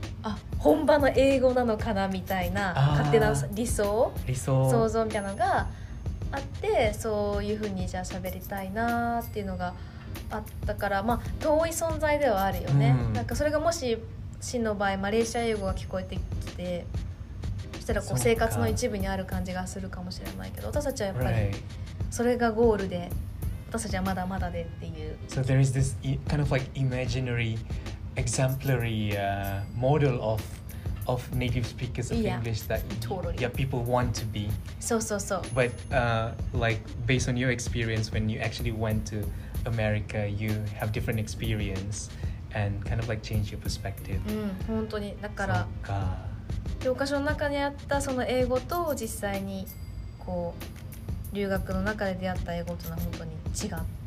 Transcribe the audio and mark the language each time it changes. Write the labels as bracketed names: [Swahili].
[Japanese] あ、本場の英語なのかなみたいな勝手な理想想像みたいなのがあって、そういう風にじゃあ喋りたいなっていうのがあったから、まあ遠い存在ではあるよね、なんかそれがもし真の場合マレーシア英語が聞こえてきて、そしたらこう生活の一部にある感じがするかもしれないけど、私たちはやっぱりそれがゴールで、私たちはまだまだでっていう。 [English] So there is this kind of like imaginaryexemplary model of native speakers of English that totally. people want to be. So. But like based on your experience when you actually went to America, you have different experience and kind of like change your perspective. [Japanese] うん、本当に。だから、そうか。教科書の中にあったその英語と実際にこう留学の中で出会った英語というのは本当に違う。